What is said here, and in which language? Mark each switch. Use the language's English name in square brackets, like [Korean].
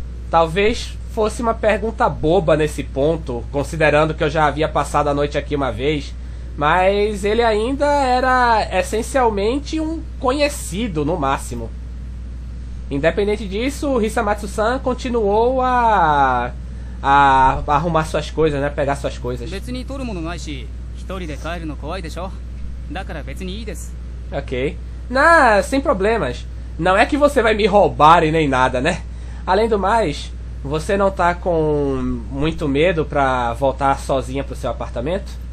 [Portuguese] Talvez fosse uma pergunta boba nesse ponto, considerando que eu já havia passado a noite aqui uma vez, mas ele ainda era essencialmente um conhecido, no máximo. Independente disso, o Hisamatsu-san continuou a arrumar suas coisas, né? Pegar suas coisas. [Japanese] 別に取るものないし、一人で帰るの怖いでしょ。だから別にいいです。 [Portuguese] Ok. Não, sem problemas. Não é que você vai me roubar e nem nada, né? Além do mais, você não tá com muito medo pra voltar sozinha pro seu apartamento?